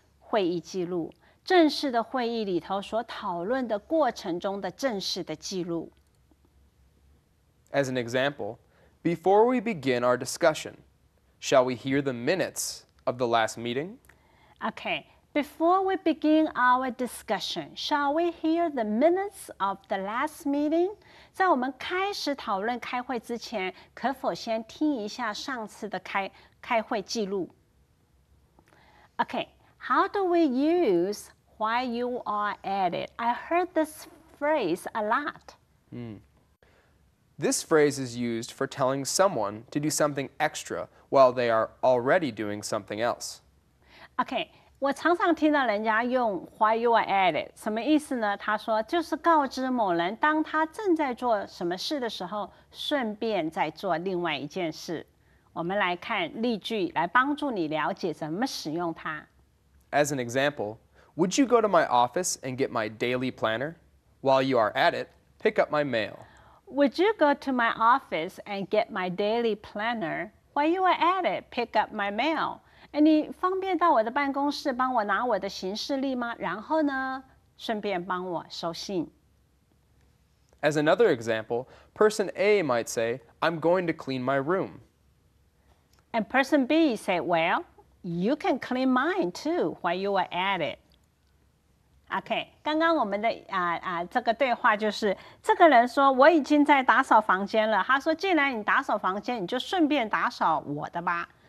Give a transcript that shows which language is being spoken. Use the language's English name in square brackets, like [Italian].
[Chinese] 会议记录，正式的会议里头所讨论的过程中的正式的记录。 [English] As an example, before we begin our discussion, shall we hear the minutes? Of the last meeting? Okay, before we begin our discussion, shall we hear the minutes of the last meeting? [Chinese] 在我们开始讨论开会之前，可否先听一下上次的开会记录? [English] Okay, how do we use while you are at it? I heard this phrase a lot. This phrase is used for telling someone to do something extra while they are already doing something else. [Chinese] Okay, 我常常听到人家用 while you are at it, 什么意思呢？他说就是告知某人当他正在做什么事的时候，顺便再做另外一件事。我们来看例句，来帮助你了解怎么使用它。 [English] As an example, would you go to my office and get my daily planner? While you are at it, pick up my mail. Would you go to my office and get my daily planner? While you are at it, pick up my mail. [Chinese] 你方便到我的办公室帮我拿我的行事历吗？然后呢，顺便帮我收信。 [English] As another example, person A might say, I'm going to clean my room. And person B say, well, you can clean mine too while you are at it. [Chinese] Okay, 刚刚我们的这个对话就是这个人说我已经在打扫房间了。他说既然你打扫房间，你就顺便打扫我的吧。